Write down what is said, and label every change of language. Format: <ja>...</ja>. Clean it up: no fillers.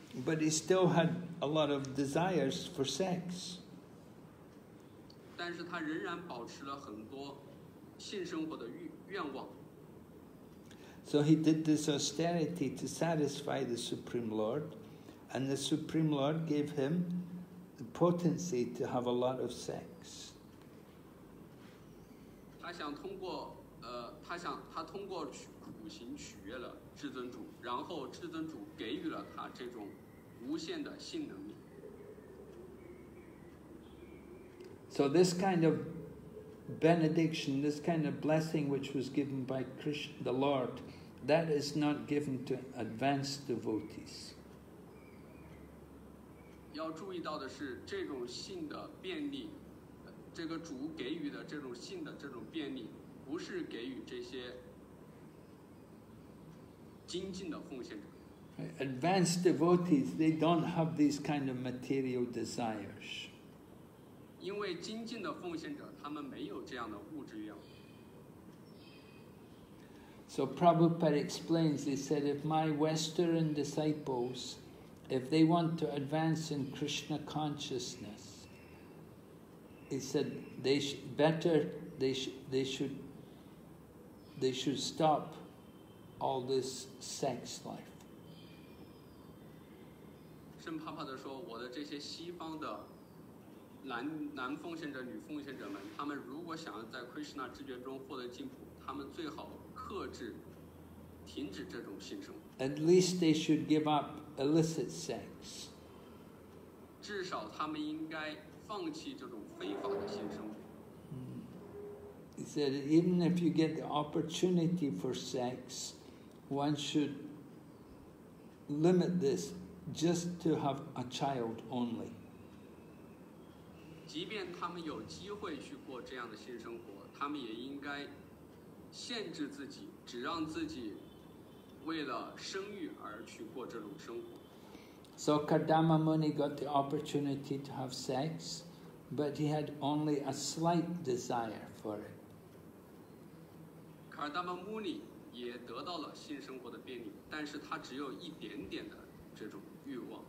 <en>But he still had a lot of desires for sex.</en> <zh>但是他仍然保持了很多性生活的愿望。</zh> <en>So he did this austerity to satisfy the Supreme Lord, and the Supreme Lord gave him the potency to have a lot of sex.</en> <zh>他想通过他通过苦行取悦了至尊主，然后至尊主给予了他这种无限的性能力。</zh> <en>So this kind of benediction, this kind of blessing which was given by Krishna, the Lord, that is not given to advanced devotees.</en> <zh>要注意到的是，这种性的便利，这个主给予的这种性的这种便利。不是给予这些精进的奉献者。</zh> <en>Advanced devotees, they don't have these kind of material desires.</en> <zh>因为精进的奉献者，他们没有这样的物质愿望。</zh> <en>So Prabhupada explains, he said, if my Western disciples, if they want to advance in Krishna consciousness, he said, they should stop all this sex life.</en> <zh>圣帕帕的说，我的这些西方的男奉献者、女奉献者们，他们如果想要在 Krishna 知觉中获得进步，他们最好克制，停止这种性生活。</zh> <en>At least they should give up illicit sex.</en> <zh>至少他们应该放弃这种非法的性生活。</zh> <en>He said, even if you get the opportunity for sex, one should limit this just to have a child only.</en> <zh>即便他们有机会去过这样的性生活，他们也应该限制自己，只让自己为了生育而去过这种生活。</zh> <en>So Kardama Muni got the opportunity to have sex, but he had only a slight desire for it.</en> <zh>Kardama Muni 也得到了性生活的便利，但是他只有一点点的这种欲望。</zh>